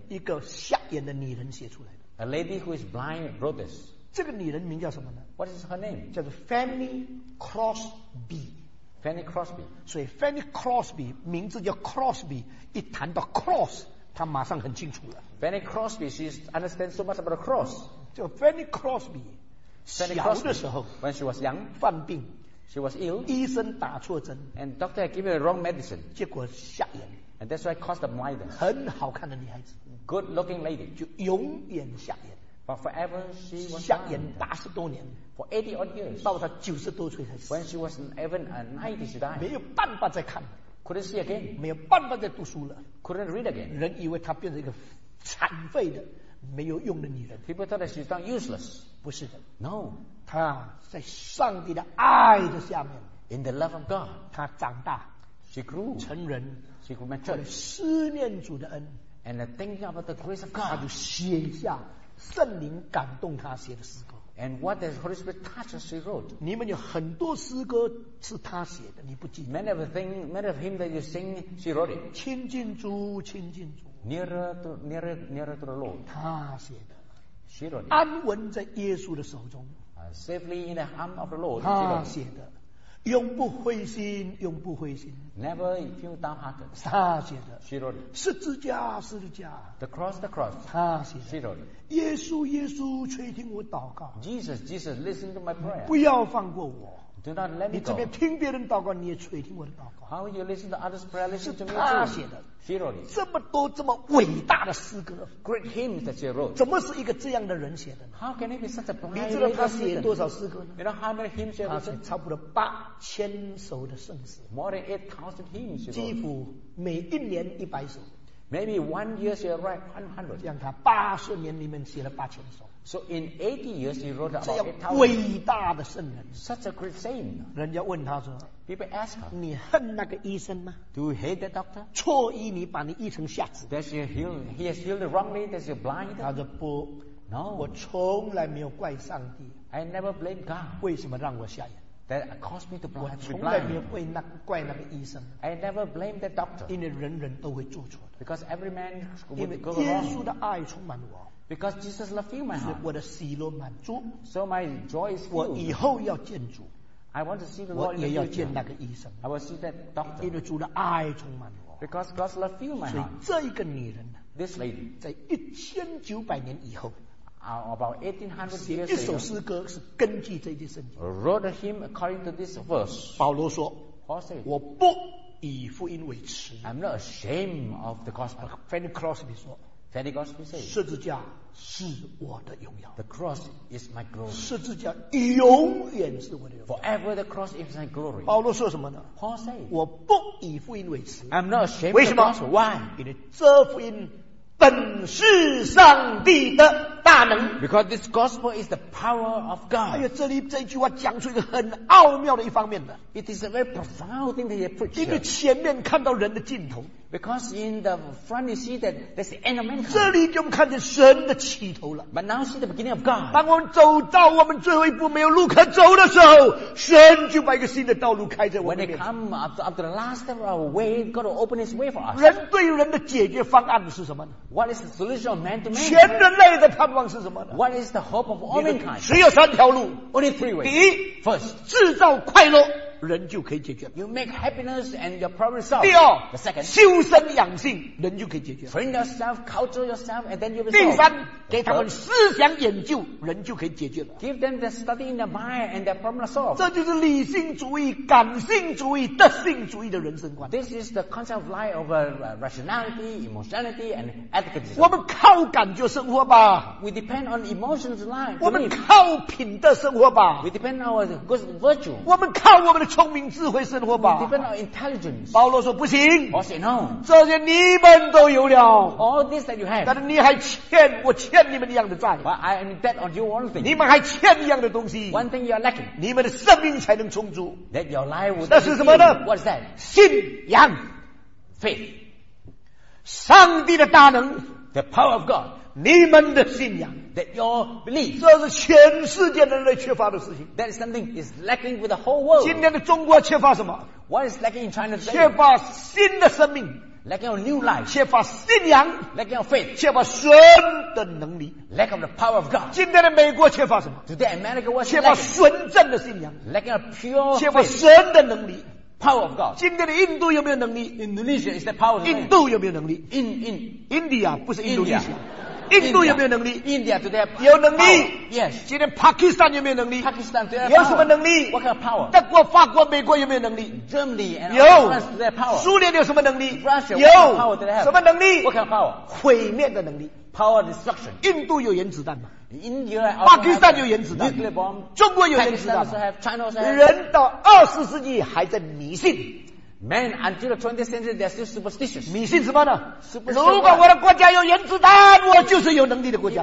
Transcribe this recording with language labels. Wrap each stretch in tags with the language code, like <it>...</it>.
<zh>一个瞎眼的女人写出来的。</zh> <en>A lady who is blind wrote this.</en> <zh>这个女人名叫什么呢</zh> <en>？What is her name?</en> <zh>叫做 Fanny Crosby.</zh> <en>Fanny Crosby.</en> <zh>所以 Fanny Crosby 名字叫 Crosby， 一谈到 cross， 她马上很清楚了。</zh> <en>Fanny Crosby， she understands so much about the cross.</en> <zh>叫 Fanny Crosby， 小的时候</zh> <en>，when she was young，</en> <zh>犯病</zh> <en>，she was ill，</en> <zh>医生打错针</zh> <en>，and doctor had given her wrong medicine，</en> <zh>结果瞎眼。</zh> <en>And that's why it caused the blindness.</en> <zh>很好看的女孩子</zh> <en>good looking lady,</en> <zh>就永远瞎眼</zh> <en>but forever she was</en> <zh>瞎眼八十多年</zh> <en>for 80 odd years,</en> <zh>到她九十多岁才死</zh> <en>when she was even a 90 she died,</en> <zh>没有办法再看</zh> <en>couldn't see again,</en> <zh>没有办法再读书了</zh> <en>couldn't read again,</en> <zh>人以为她变成一个残废的没有用的女人</zh> <en>people thought that she's not useless,</en> <zh>不是的</zh> <en>no,</en> <zh>她在上帝的爱的下面</zh> <en>in the love of God,</en> <zh>她长大</zh> <en>she grew,</en> <zh>成人结果没错。思念主的恩</zh> <en>，and thinking about the grace of God，</en> <zh>他就写下圣灵感动他写的诗歌。</zh> <en>And what does Holy Spirit touch as he wrote？</en> <zh>你们有很多诗歌是他写的，你不记得</zh> <en>？Many of the thing, many of him that you sing, she wrote it。</en> <zh>亲近主，亲近主。</zh> <en>Nearer to the Lord。</en> <zh>他写的</zh> <en>，she wrote。</en> <zh>安稳在耶稣的手中</zh> <en>，safely in the arm of the Lord。</en> <zh>他写的。永不灰心，永不灰心。</zh> <en>Never feel downhearted.</en> <zh>他写的。</zh> <en>She wrote.</en> <zh>十字架，十字架。</zh> <en>The cross.</en> <zh>他写的。</zh> <en>She wrote.</en> <zh>耶稣，耶稣，垂听我祷告。</zh> <en>Jesus, listen to my prayer.</en> <zh>不要放过我。</zh> <en>Do not let me go.</en> <zh>你这边听别人祷告，你也垂听我的祷告。</zh> <en>How you listen to others' prayer? Listen to me too.</en> <zh>他写的。</zh> <en>She wrote.</en> <zh>这么多这么伟大的诗歌。</zh> <en>Great hymns that she wrote.</en> <zh>怎么是一个这样的人写的呢</zh> <en>？How can he be such a blind?</en> <zh>你知道他写多少诗歌呢</zh> <en>？You know how many hymns she wrote?</en> <zh>差不多八千首的圣诗。</zh> <en>More than 8,000 hymns she wrote.</en> <zh>几乎每一年一百首。</zh> <en>Maybe one year she write 100.</en> <zh>这样他八十年里面写了八千首。</zh> <en>So in 80 years he wrote about</en> <zh>8,000. 这样伟大的圣人。</zh> <en>Such a great saint.</en> <zh>人家问他说。</zh> <en>People ask her.</en> <zh>你恨那个医生吗</zh> <en>？Do you hate the doctor?</en> <zh>错医你把你医成瞎子。</zh> <en>Does he heal? He has healed wrongly. Does he blind?</en> <zh>他说不。</zh> <en>No.</en> <zh>我从来没有怪上帝。</zh> <en>I never blame God.</en> <zh>为什么让我瞎眼？</zh> <en>That caused me to blind.</en> <zh>我从来没有怪那怪那个医生。</zh> <en>I never blame the doctor.</en> <zh>因为人人都会做错的。</zh> <en>Because every man would go wrong.</en> <zh>因为耶稣的爱充满我。</zh> <en>Because Jesus loved me, my heart.</en> <zh>我的喜乐满足。</zh> <en>So my joy is filled.</en> <zh>我以后要见主。</zh> <en>I want to see the Lord.</en> <zh>我也要见那个医生。</zh> <en>I will see that doctor.</en> <zh>因为主的爱充满我。</zh> <en>Because God loved me, my heart.</en> <zh>所以这一个女人呢</zh> <en>，This lady，</en> <zh>在一千九百年以后。</zh> <en>About 1800 years ago,</en> <zh>一首诗歌是根据这句圣经。</zh> <en>Wrote him according to this verse.</en> <zh>保罗说</zh> <en>，Paul said，</en> <zh>我不以福音为耻。</zh> <en>I'm not ashamed of the gospel.</en> <zh>Fanny Crosby 说</zh> <en>Pentecost we say.</en> <zh>十字架是我的荣耀。</zh> <en>The cross is my glory.</en> <zh>十字架永远是我的荣耀。</zh> <en>Forever the cross is my glory.</en> <zh>保罗说什么呢？</zh> <en>Paul say.</en> <zh>我不以福音为耻。</zh> <en>I'm not ashamed.</en> <zh>为什么？</zh> <en>Why?</en> <zh>因为这福音本是上帝的大能。</zh> <en>Because this gospel is the power of God.</en> <zh>哎呀，这里这句话讲出一个很奥妙的一方面的。</zh> <en>It is a very profound thing that he preached.</en> <zh>因为前面看到人的尽头。</zh> <en>Because in the front you see that there's the end of mankind.</en> <zh>这里就看见神的起头了。</zh> <en>But now see the beginning of God.</en> <zh>当我们走到我们最后一步没有路可走的时候，神就把一个新的道路开在我们面前。</zh> <en>When they come up to the last step of our way, God will open His way for us.</en> <zh>人对人的解决方案是什么呢？</zh> <en>What is the solution of man to man?</en> <zh>全人类的盼望是什么呢？</zh> <en>What is the hope of all mankind?</en> <zh>只有三条路。</zh> <en>Only three ways.</en> <zh>第一</zh> <en>，First，</en> <zh>制造快乐。人就可以解决。</zh> <en>You make happiness and your problem solved.</en> <zh>第二</zh> <en>，the second，</en> <zh>修身养性，人就可以解决。</zh> <en>Train yourself, culture yourself, and then you will solve.</en> <zh>第三，给他们思想研究，人就可以解决了。</zh> <en>Give them the study in their mind and their problem solved.</en> <zh>这就是理性主义、感性主义、德性主义的人生观。</zh> <en>This is the concept of life of rationality, emotionality, and ethicism.</en> <zh>我们靠感觉生活吧。</zh> <en>We depend on emotions life.</en> <zh>我们靠品德生活吧。</zh> <en>We depend on our good virtue.</en> <zh>我们靠我们的聪明智慧生活吧。</zh> <en>Depend on intelligence.</en> <zh>保罗说不行。</zh> <en>Paul said no.</en> <zh>这些你们都有了。</zh> <en>All this that you have.</en> <zh>但是你还欠我欠你们一样的债。</zh> <en>But I am in debt on you one thing.</en> <zh>你们还欠一样的东西。</zh> <en>One thing you are lacking.</en> <zh>你们的生命才能充足。</zh> <en>That your life would.</en> <zh>那是什么呢？</zh> <en>What is that?</en> <zh>信仰。</zh> <en>Faith.</en> <zh>上帝的大能。</zh> <en>The power of God.</en> <zh>你们的信仰。</zh> <en>That your belief,</en> <zh>这是全世界人类缺乏的事情。</zh> <en>That is something is lacking with the whole world.</en> <zh>今天的中国缺乏什么？</zh> <en>What is lacking in China today?</en> <zh>缺乏新的生命。</zh> <en>Lacking of new life.</en> <zh>缺乏信仰。</zh> <en>Lacking of faith.</en> <zh>缺乏神的能力。</zh> <en>Lack of the power of God.</en> <zh>今天的美国缺乏什么？</zh> <en>Today America was</en> <zh>lacking. 缺乏纯正的信仰。</zh> <en>Lacking of pure faith.</en> <zh>缺乏神的能力。</zh> <en>Power of God.</en> <zh>今天的印度有没有能力？</zh> <en>Indonesia is the power of God.</en> <zh>印度有没有能力？</zh> <en>India</en> <zh>不是印度尼西亚。印度有没有能力？</zh> <en>India today have power.</en> <zh>有能力。</zh> <en>Yes.</en> <zh>今天 Pakistan 有没有能力？</zh> <en>Pakistan today have power.</en> <zh>有什么能力？</zh> <en>What kind of power?</en> <zh>德国、法国、美国有没有能力？</zh> <en>Germany and France today have power.</en> <zh>苏联有什么能力？</zh> <en>Russia.</en> <zh>有。</zh> <en>What kind of power today have?</en> <zh>什么能力？</zh> <en>What kind of power?</en> <zh>毁灭的能力。</zh> <en>Power destruction.</en> <zh>印度有原子弹吗？</zh> <en>India.</en> <zh>Pakistan 有原子弹。</zh> <en>Nuclear bomb.</en> <zh>中国有原子弹吗？</zh> <en>Pakistan also have. China also have.</en> <zh>人到二十世纪还在迷信。</zh> <en>Man, until the 20th century, they are still superstitious.</en> <zh>迷信什么呢？</zh> <en>Superstitious.</en> <zh>如果我的国家有原子弹，我就是有能力的国家。</zh>